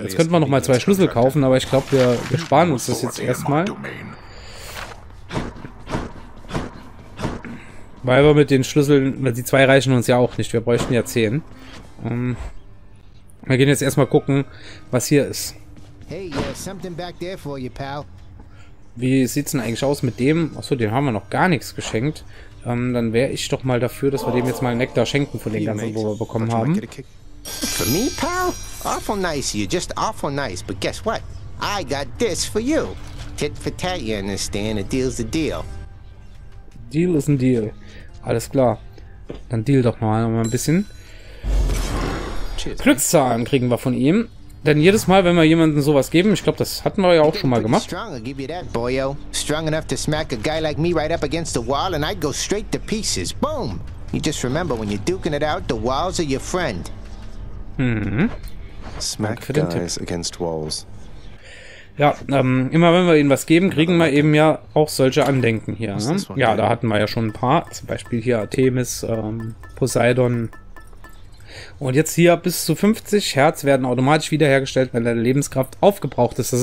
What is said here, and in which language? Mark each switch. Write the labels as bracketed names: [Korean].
[German] Jetzt könnten wir nochmal zwei Schlüssel kaufen, aber ich glaube, wir sparen uns das jetzt erstmal. Weil wir mit den Schlüsseln, die zwei reichen uns ja auch nicht. Wir bräuchten ja 10. Wir gehen jetzt erstmal gucken, was hier ist. [English] Hey, something back there for you, pal. [German] Wie sieht's denn eigentlich aus mit dem? Achso, den haben wir noch gar nichts geschenkt. Dann wäre ich doch mal dafür, dass wir dem jetzt mal Nektar schenken von den ganzen, wo wir bekommen haben. [English] For me, pal? Awful nice of you, just awful nice. But guess what? I got this for you. Tit for tat, you understand? A deal's a deal. [German] Deal ist ein Deal. Alles klar. Dann deal doch mal ein bisschen. Glückszahlen kriegen wir von ihm. Denn jedes Mal, wenn wir jemandem sowas geben, ich glaube, das hatten wir ja auch schon mal gemacht. [English] Strong, I'll give you that, boyo. Strong enough to smack a guy like me right up against the wall and I'd go straight to pieces. Boom! You just remember, when you're duking it out, the walls are your friend. Smack guys against walls. [German] Ja, immer wenn wir ihnen was geben, kriegen wir eben ja auch solche Andenken hier. Ne? Ja, da hatten wir ja schon ein paar. Zum Beispiel hier Artemis, Poseidon. Und jetzt hier bis zu 50 Herz werden automatisch wiederhergestellt, wenn deine Lebenskraft aufgebraucht ist.